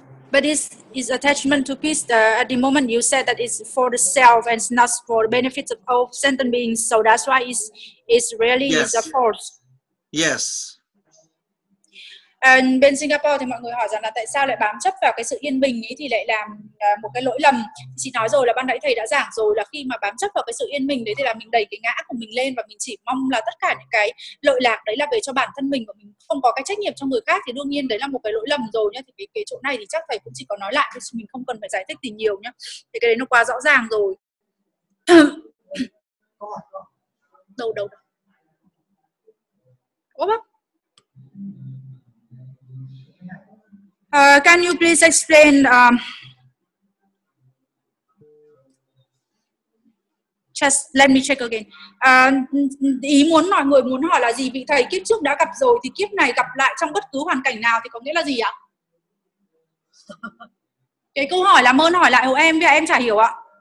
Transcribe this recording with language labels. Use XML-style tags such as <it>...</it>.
<en>But is attachment to peace, at the moment you said that it's for the self and it's not for the benefits of all sentient beings. So that's why it's really is a force. Yes.</en> <vi>Bên Singapore thì mọi người hỏi rằng là tại sao lại bám chấp vào cái sự yên bình ấy thì lại làm một cái lỗi lầm. Chị nói rồi là ban nãy thầy đã giảng rồi là khi mà bám chấp vào cái sự yên bình đấy thì là mình đẩy cái ngã của mình lên và mình chỉ mong là tất cả những cái lợi lạc đấy là về cho bản thân mình và mình không có cái trách nhiệm cho người khác thì đương nhiên đấy là một cái lỗi lầm rồi nhá. Thì cái chỗ này thì chắc thầy cũng chỉ có nói lại thì mình không cần phải giải thích gì nhiều nhá. Thì cái đấy nó quá rõ ràng rồi. Đâu. Ủa bác?</vi> <en>Can you please explain just let me check again.</en> <vi>Ý muốn mọi người muốn hỏi là gì? Vị thầy kiếp trước đã gặp rồi thì kiếp này gặp lại trong bất cứ hoàn cảnh nào thì có nghĩa là gì ạ? Cái câu hỏi làm ơn hỏi lại hộ em, vì em chả hiểu ạ.</vi>